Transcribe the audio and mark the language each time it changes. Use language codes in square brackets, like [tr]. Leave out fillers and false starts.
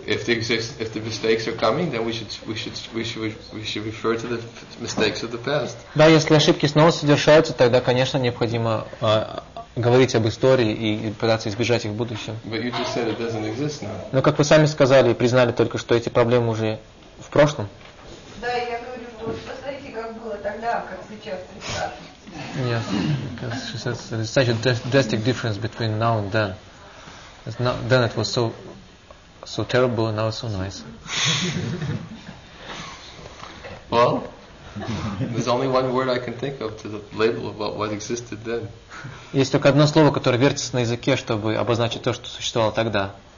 [en] If the mistakes are coming, then we should refer to the mistakes of the past. [ru] Да, если ошибки снова совершаются, тогда, конечно, необходимо говорить об истории и пытаться избежать их в будущем. [en] But you just said it doesn't exist now. [ru] Но как вы сами сказали и признали только что, эти проблемы уже в прошлом. Да, я говорю, что посмотрите, как было тогда, как сейчас. [en] Yeah, because she says there's such a drastic difference between now and then. It's not, then it was so terrible, and now it's so nice. Well, there's only one word I can think of to the label about what existed then. [ru] Есть только одно слово, которое вертится на языке, чтобы обозначить то, что существовало тогда.